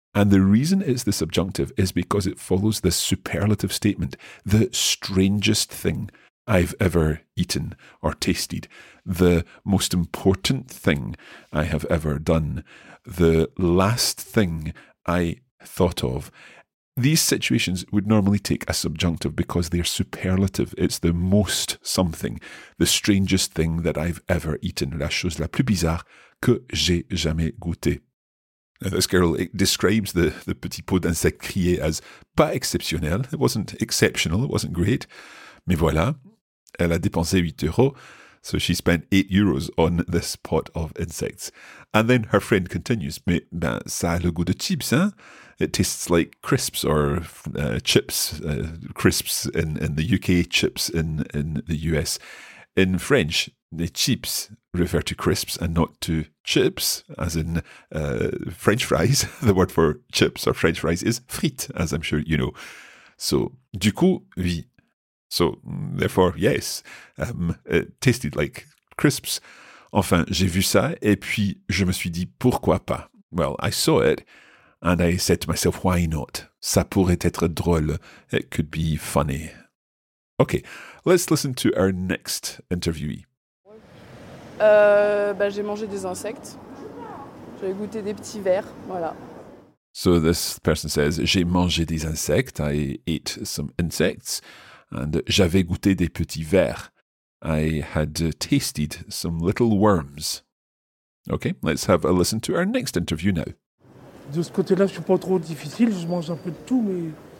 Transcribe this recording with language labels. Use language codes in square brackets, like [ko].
[en] And the reason it's the subjunctive is because it follows this superlative statement, the strangest thing I've ever eaten or tasted, the most important thing I have ever done, the last thing I thought of. These situations would normally take a subjunctive because they're superlative. It's the most something, the strangest thing that I've ever eaten. [fr] La chose la plus bizarre que j'ai jamais goûté. [en] Now, this girl describes the [fr] petit pot d'insectes crié [en] as [fr] pas exceptionnel. [en] It wasn't exceptional. It wasn't great. [fr] Mais voilà, elle a dépensé 8 euros. [en] So she spent 8 euros on this pot of insects. And then her friend continues, [fr] mais ben, ça a le goût de chips, hein? [en] It tastes like crisps or chips, crisps in the UK, chips in the US. In French, the chips refer to crisps and not to chips, as in French fries. The word for chips or French fries is frites, as I'm sure you know. So, [fr] du coup, oui. [en] So, therefore, yes, it tasted like crisps. [fr] Enfin, j'ai vu ça et puis je me suis dit, pourquoi pas? [en] Well, I saw it and I said to myself, why not? [fr] Ça pourrait être drôle. [en] It could be funny. Okay, let's listen to our next interviewee. [fr] J'ai mangé des insectes. J'avais goûté des petits vers, voilà. [en] So this person says, [fr] j'ai mangé des insectes. [en] I ate some insects. And [fr] j'avais goûté des petits vers. [en] I had tasted some little worms. Okay, let's have a listen to our next interview now. [fr] De ce côté-là, je suis pas trop difficile. Je mange un peu de tout, mais...